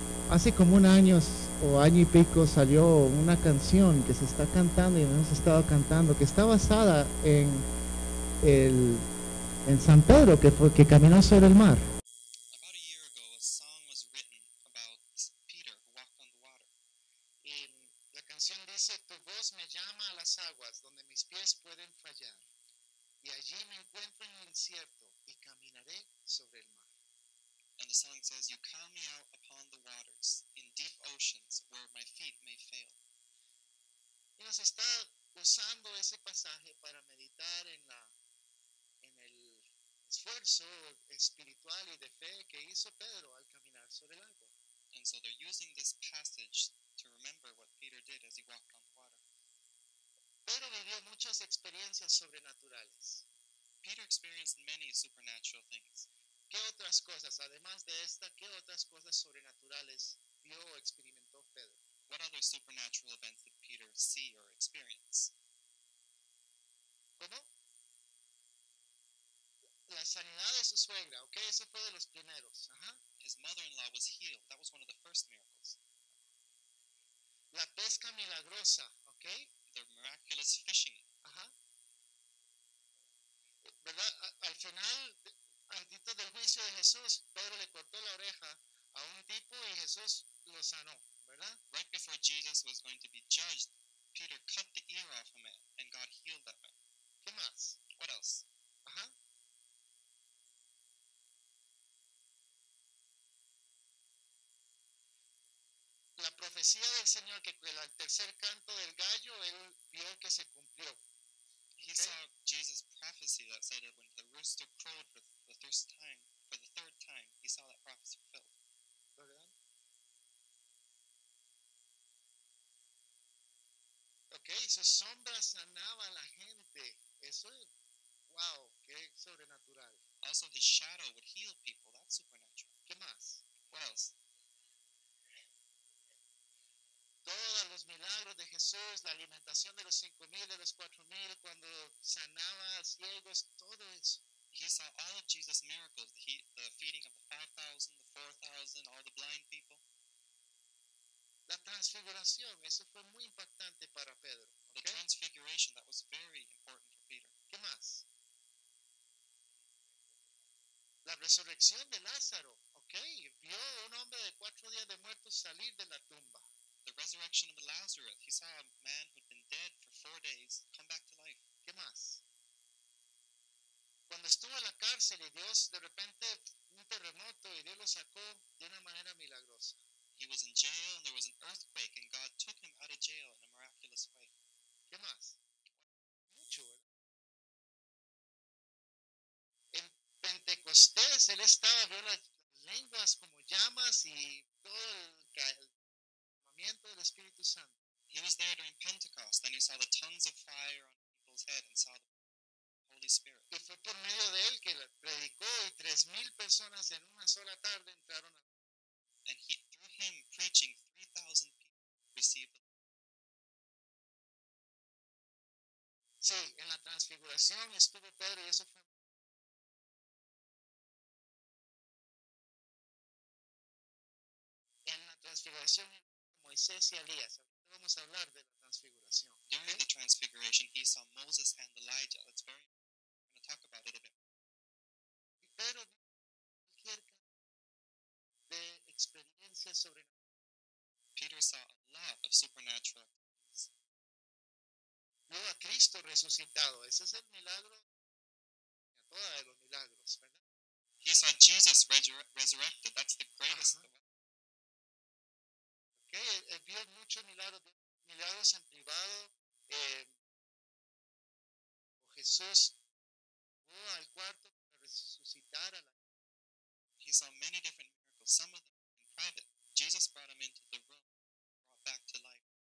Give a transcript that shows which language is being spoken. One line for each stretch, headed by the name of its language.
Spanish: Hace como un año o año y pico salió una canción que se está cantando y hemos estado cantando, que está basada en en San Pedro, que fue, que caminó sobre el mar.
English: About a year ago, a song was written about Peter who walked on the water.
Spanish: Y la canción dice, tu voz me llama a las aguas donde mis pies pueden fallar. Y allí me encuentro en el desierto y caminaré sobre el mar.
English: And the song says, you call me out upon the waters, in deep oceans, where my feet may fail.
Spanish: Y nos está usando ese pasaje para meditar en la en el esfuerzo espiritual y de fe que hizo Pedro al caminar sobre el agua.
English: And so they're using this passage to remember what Peter did as he walked on the water.
Spanish: Pedro vivió muchas experiencias sobrenaturales.
English: Peter experienced many supernatural things.
Spanish: ¿Qué otras cosas, además de esta, qué otras cosas sobrenaturales vio o experimentó Pedro?
English: What other supernatural events did Peter see or experience?
Spanish: ¿Cómo? La sanidad de su suegra, okay, eso fue de los primeros.
English: His mother-in-law was healed. That was one of the first miracles.
Spanish: La pesca milagrosa, okay?
English: The miraculous fishing.
Spanish: ¿Verdad? Al final, antes del juicio de Jesús, Pedro le cortó la oreja a un tipo y Jesús lo sanó, ¿verdad?
English: Right before Jesus was going to be judged, Peter cut the ear off a man and God healed that man.
Spanish: ¿Qué más?
English: What else?
Spanish: La profecía del Señor que el tercer canto del gallo él vio que se cumplió.
English: He saw Jesus' prophecy that said that when the rooster crowed for the third time, he saw that prophecy fulfilled.
Spanish: Okay, su sombra sanaba a la gente. Eso es, wow, qué sobrenatural.
English: Also, his shadow would heal people. That's supernatural.
Spanish: ¿Qué más?
English: What else?
Spanish: Todos los milagros de Jesús, la alimentación de los 5,000, de los 4,000, cuando sanaba a ciegos, todo eso.
English: He saw all of Jesus' miracles, the feeding of the 5,000, the 4,000, all the blind people.
Spanish: La transfiguración, eso fue muy impactante para Pedro. Okay?
English: The transfiguration, that was very important for Peter.
Spanish: ¿Qué más? La resurrección de Lázaro, okay, vio un hombre de 4 días de muertos salir de la tumba.
English: The resurrection of Lazarus. He saw a man who had been dead for 4 days come back to life.
Spanish: ¿Qué más? Cuando estuvo en la cárcel y Dios de repente un terremoto y Dios lo sacó de una manera milagrosa.
English: He was in jail and there was an earthquake and God took him out of jail in a miraculous way.
Spanish: ¿Qué más? Mucho. En Pentecostés él estaba viendo las lenguas como llamas y todo el del Espíritu Santo.
English: He was there during Pentecost and he saw the tongues of fire on people's head and saw the Holy Spirit.
Spanish: Y fue por medio de él que predicó y 3,000 personas en una sola tarde entraron a
English: And he, through him preaching, 3,000 people received the
Spanish: Sí, en la transfiguración estuvo Pedro y eso fue en la transfiguración Moisés y Elías. Vamos a hablar de la transfiguración.
English: During the transfiguration, he saw Moses and Elijah. That's very important. We're going to talk about it a bit.
Spanish: Pero cualquier de experiencias sobrenaturales.
English: Peter saw a lot of supernatural things.
Spanish: Vio a Cristo resucitado. Ese es el milagro de todos los milagros, ¿verdad?
English: He saw Jesus resurrected. That's the greatest of all.
Spanish: Okay, él vio muchos milagros en privado. Jesús fue al cuarto para resucitar a la gente.
English: He saw many different miracles, some of them in private. Jesus brought him into the room, brought back to life.